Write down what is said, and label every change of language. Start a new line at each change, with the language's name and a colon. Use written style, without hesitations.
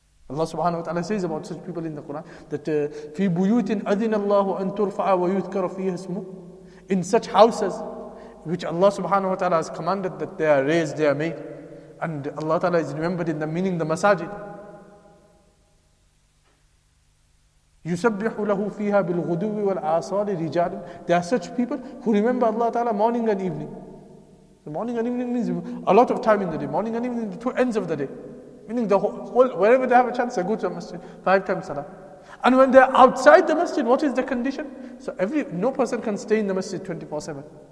English: Allah subhanahu wa ta'ala says about such people in the Quran that
Arabic: في بيوت أذن الله أن ترفع ويذكر فيها اسمه.
English: In such houses which Allah subhanahu wa ta'ala has commanded that they are raised, they are made, and Allah ta'ala is remembered in the meaning the masajid.
Arabic: يسبح له فيها بالغدو والعصال رجال.
English: They are such people who remember Allah ta'ala morning and evening. The morning and evening means a lot of time in the day. Morning and evening, the two ends of the day. Meaning the whole, wherever they have a chance, they go to the masjid, five times salah. And when they're outside the masjid, what is the condition? So no person can stay in the masjid 24/7.